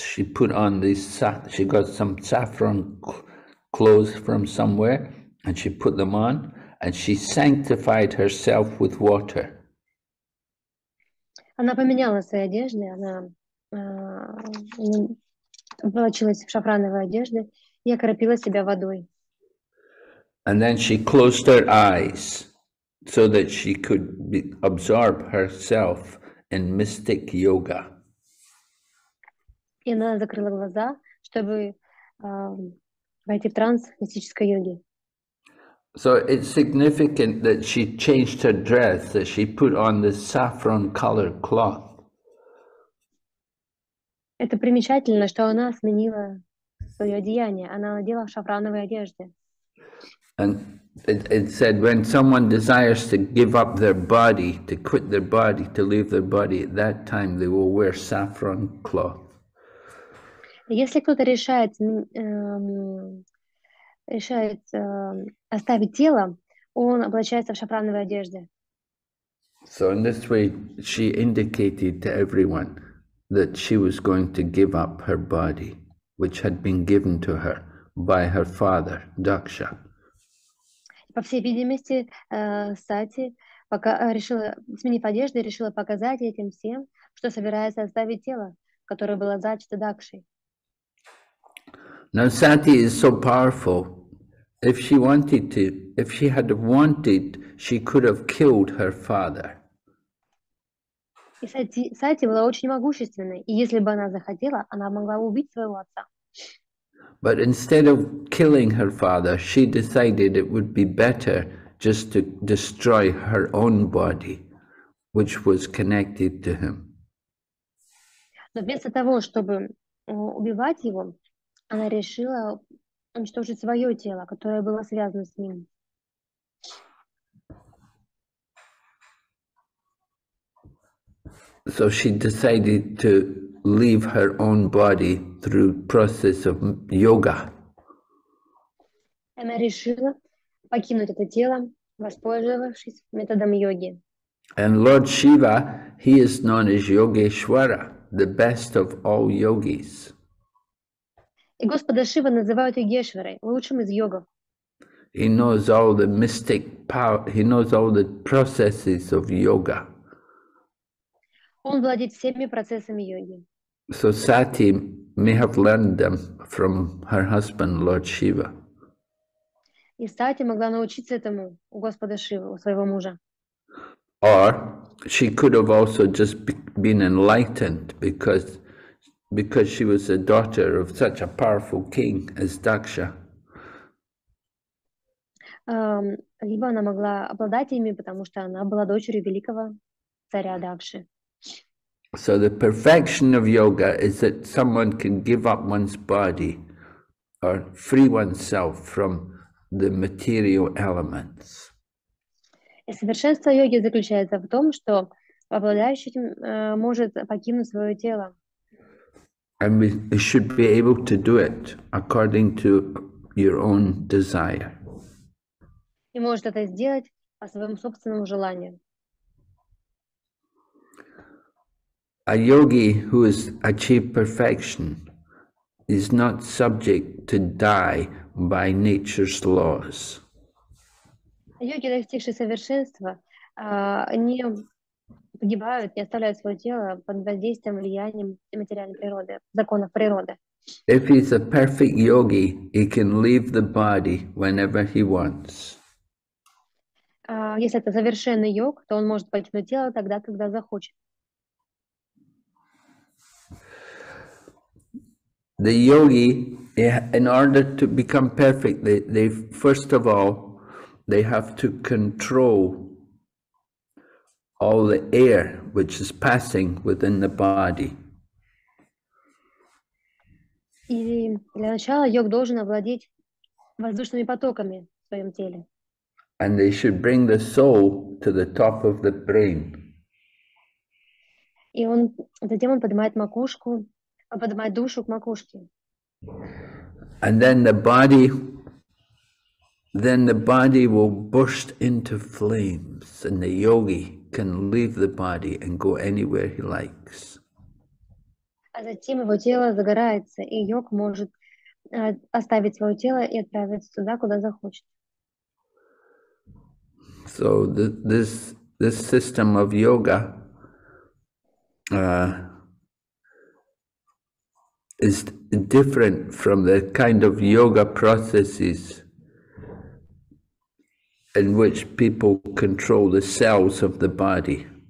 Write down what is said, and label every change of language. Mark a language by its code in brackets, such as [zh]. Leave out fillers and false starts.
[en] She put on this, she got some saffron clothes from somewhere and she put them on. And she sanctified herself with water. [ru] Она поменяла свои одежды, она облачилась в шафрановой одежде и окропила себя водой. [en] And then she closed her eyes so that she could absorb herself in mystic yoga. [ru] И она закрыла глаза, чтобы войти в транс мистической йоги. [en] So it's significant that she changed her dress, that she put on this saffron-colored cloth. [ru] Это примечательно, что она сменила свое одеяние. Она надела шафрановые одежды. [en] And it said, when someone desires to give up their body, to quit their body, to leave their body, at that time they will wear saffron cloth. [ru] Если кто-то решает оставить тело, он облачается в шафрановой одежде. [en] So in this way, she indicated to everyone that she was going to give up her body, which had been given to her by her father, Дакша. [ru] По всей видимости, Сати пока решила, сменив одежду, решила показать этим всем, что собирается оставить тело, которое было зачато Дакшей. [en] Now Sati is so powerful. If she wanted to, if she had wanted, she could have killed her father. [ru] Сати была очень могущественной, и если бы она захотела, она могла бы убить своего отца. [en] But instead of killing her father, she decided it would be better just to destroy her own body, which was connected to him. [ru] Но вместо того, чтобы убивать его, она решила уничтожить свое тело, которое было связано с ним. [en] So she decided to leave her own body through process of yoga. [ru] Она решила покинуть это тело, воспользовавшись методом йоги. [en] And Lord Shiva, he is known as Yogeshwara, the best of all yogis. [ru] И Господа Шива называют Йогешварой, лучшим из йогов. [en] He knows all the mystic power, he knows all the processes of yoga. [ru] Он владеет всеми процессами йоги. [en] So Sati may have learned them from her husband, Lord Shiva. [ru] И Сати могла научиться этому у Господа Шивы, у своего мужа. [en] Or she could have also just been enlightened because she was the daughter of such a powerful king as Daksha. [ru] Либо она могла обладать ими, потому что она была дочерью великого царя Дакши. [en] So the perfection of yoga is that someone can give up one's body or free oneself from the material elements. [ru] И совершенство йоги заключается в том, что обладающий может покинуть свое тело. [en] And we should be able to do it according to your own desire. [ru] И может это сделать по своему собственному желанию. [en] A yogi who has achieved perfection is not subject to die by nature's laws. [ru] Йоги, достигшие совершенства, они погибают и оставляют свое тело под воздействием, влиянием материальной природы, законов природы. [en] If he's a perfect yogi, he can leave the body whenever he wants. [ru] Если это совершенный йог, то он может покинуть тело тогда, когда захочет. [en] The yogi, in order to become perfect, they first of all, they have to control all the air which is passing within the body. [ru] И для начала йог должен овладеть воздушными потоками в своем теле. [en] And they should bring the soul to the top of the brain. [ru] И он затем он поднимает макушку, поднимает душу к макушке. [en] And then the body will burst into flames, and the yogi can leave the body and go anywhere he likes. [ru] А затем его тело загорается, и йог может оставить свое тело и отправиться туда, куда захочет. [en] So this system of yoga is different from the kind of yoga processes in which people control the cells of the body.